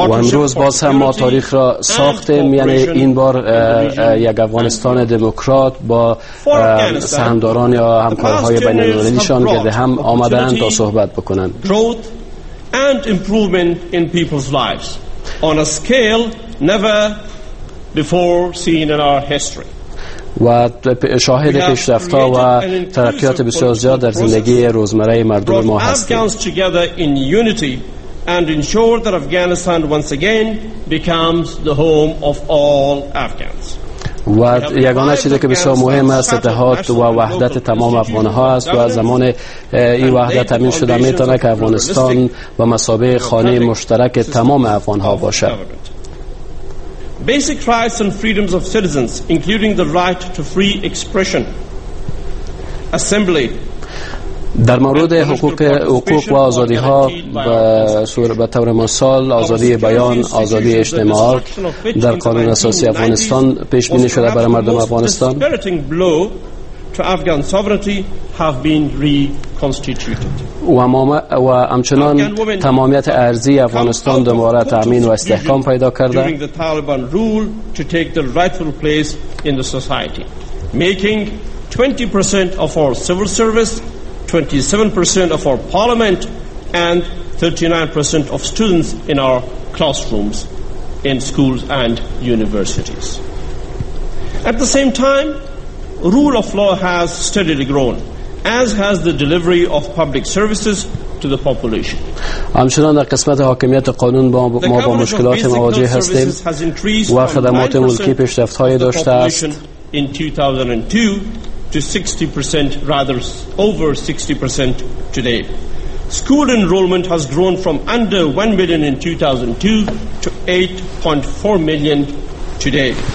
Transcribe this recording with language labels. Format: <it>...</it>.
<fa>امروز باز هم ما تاریخ را ساختیم، یعنی این بار یک افغانستان دموکرات با سهمداران یا همکارهای بین المللیشان گرده هم آمدند تا صحبت بکنند.</fa> <en>Growth and improvement in people's lives on a scale never before seen in our history.</en> <fa>و شاهد پیشرفت ها و ترقیات بسیار زیاد در زندگی روزمره مردم ما هستیم.</fa> <en>And ensure that Afghanistan once again becomes the home of all Afghans.</en> <fa>و یگانه چیزی که بسیار مهم است اتحاد و وحدت تمام افغان ها است و زمان این وحدت تامین شده میتونه که افغانستان و مسابقه خانه مشترک تمام افغان ها باشد.</fa> <en>Basic rights and freedoms of citizens, including the right to free expression, assembly.</en> <fa>در مورد حقوق و آزادی ها به طور مثال آزادی بیان، آزادی اجتماع در قانون اساسی افغانستان پیش بینی شده برای مردم افغانستان. و همچنان تمامیت ارضی افغانستان دوباره تأمین و استحکام پیدا کرده.</fa> <en>making 20% of our civil service, 27% of our parliament and 39% of students in our classrooms in schools and universities. At the same time, rule of law has steadily grown, as has the delivery of public services to the population.</en> <fa>همچنان در قسمت حاکمیت قانون ما با مشکلات مواجه هستیم و خدمات ملکی پیشرفت‌هایی داشته است.</fa> <en>To 60%, rather over 60% today. School enrollment has grown from under 1 million in 2002 to 8.4 million today.</en>